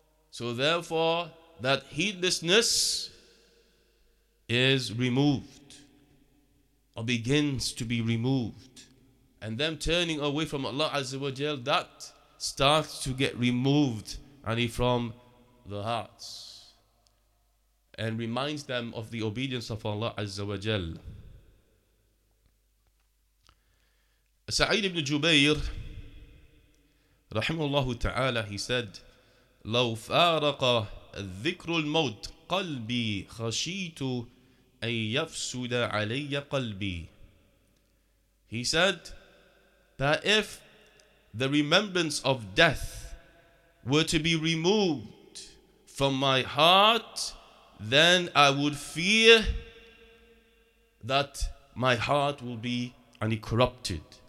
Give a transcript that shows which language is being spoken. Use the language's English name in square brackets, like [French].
[English] So therefore, that heedlessness is removed, or begins to be removed. And them turning away from Allah Azza wa Jal, that starts to get removed from the hearts, and reminds them of the obedience of Allah Azza wa Jal. [Arabic] Sa'id ibn Jubayr, rahimahullah ta'ala, [English] he said, [Arabic] لو فارق الذكر الموت قلبي خشيت أن يفسد علي قلبي. [English] He said that if the remembrance of death were to be removed from my heart, then I would fear that my heart will be corrupted.